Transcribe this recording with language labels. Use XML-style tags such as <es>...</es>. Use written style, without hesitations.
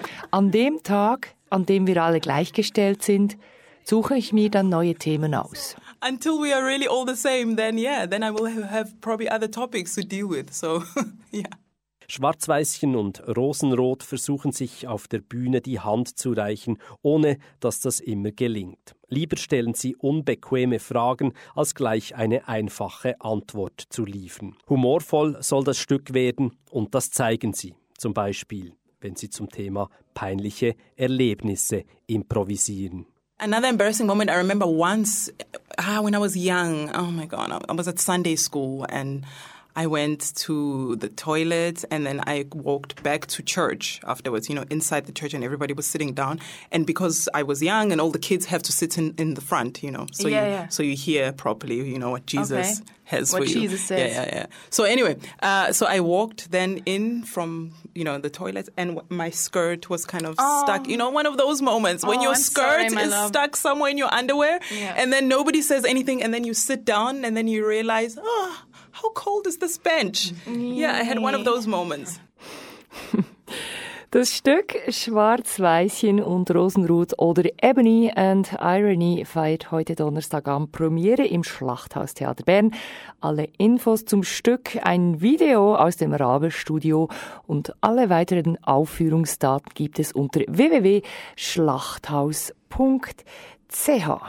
<de>An dem Tag, an dem wir alle gleichgestellt sind, suche ich mir dann neue Themen aus.</de> <en>Until we are really all the same, then yeah, then I will have probably other topics to deal with, so yeah. Schwarzweißchen und Rosenrot versuchen sich auf der Bühne die Hand zu reichen, ohne dass das immer gelingt. Lieber stellen sie unbequeme Fragen, als gleich eine einfache Antwort zu liefern. Humorvoll soll das Stück werden und das zeigen sie, zum Beispiel, wenn sie zum Thema peinliche Erlebnisse improvisieren. Another embarrassing moment, I remember once, when I was young, oh my God, I was at Sunday school and I went to the toilet and then I walked back to church afterwards, you know, inside the church, and everybody was sitting down. And because I was young and all the kids have to sit in the front, you know, so, so you hear properly, you know, what Jesus has what for Jesus you. Says. Yeah, yeah, yeah. So anyway, so I walked then in from, you know, the toilet, and my skirt was kind of stuck. You know, one of those moments when your skirt is stuck somewhere in your underwear and then nobody says anything, and then you sit down and then you realize, oh, how cold is this bench? Yeah, I had one of those moments.</en> <de>Das Stück Schwarz-Weißchen und Rosenrot oder Ebony and Irony feiert heute Donnerstagabend Premiere im Schlachthaustheater Bern. Alle Infos zum Stück, ein Video aus dem Rabe-Studio und alle weiteren Aufführungsdaten gibt es unter www.schlachthaus.ch.</de>